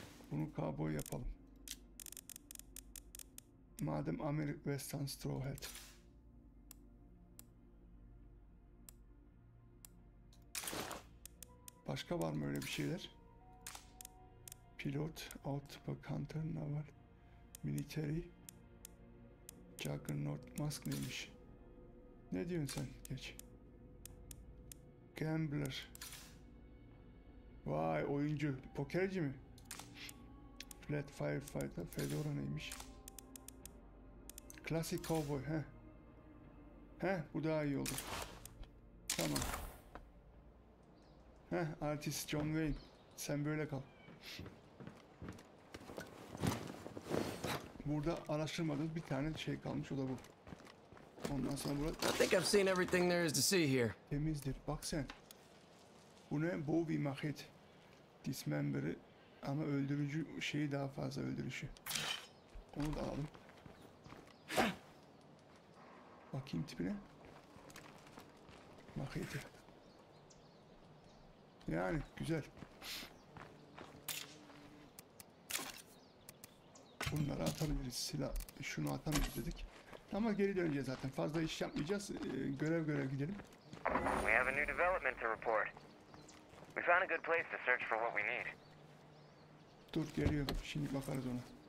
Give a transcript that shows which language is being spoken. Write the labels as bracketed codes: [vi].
[tr] Bunu kovboy yapalım. Madem American Western Straw Hat. Başka var mı öyle bir şeyler? [en] Pilot, Outback Hunter, Naval, Military. [tr] Juggernaut mask neymiş? Ne diyorsun sen? Geç. Gambler. Vay, oyuncu. Pokerci mi? Flat Firefighter. Fedora neymiş? Classic Cowboy. Heh. Heh, bu daha iyi oldu. Tamam. Heh, artist John Wayne. Sen böyle kal. Burada araştırmadığımız bir tane şey kalmış, o da bu. Ondan sonra burada... [en] I think I've seen everything there is to see here. [tr] Temizdir, bak sen. Bu ne? Bowie machete. Dismember'ı. Ama öldürücü şeyi daha fazla, öldürüşü. Onu da alalım. Bakayım tipine. Machete. Yani, güzel. Bunları atabiliriz, silah, şunu atamayız dedik. Ama geri döneceğiz zaten, fazla iş yapmayacağız, görev görev gidelim. [en] We have a new development to report. We found a good place to search for what we need. [tr] Dur, geliyor, şimdi bakarız ona.